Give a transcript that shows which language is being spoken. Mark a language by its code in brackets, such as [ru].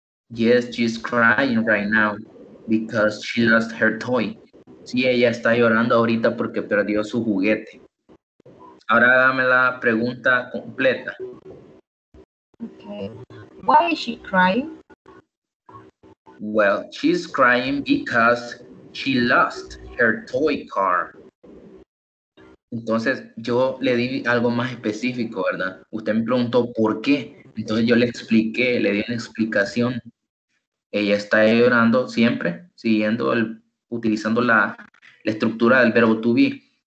[en] Yes, she's crying right now because she lost her toy. [es] Sí, ella está llorando ahorita porque perdió su juguete. Ahora dame la pregunta completa. [en] Okay. Why is she crying? Well, she's crying because she lost her toy car. [es] Entonces, yo le di algo más específico, ¿verdad? Usted me preguntó por qué. Entonces, yo le expliqué, le di una explicación. Ella está llorando siempre, utilizando la estructura del verbo to be.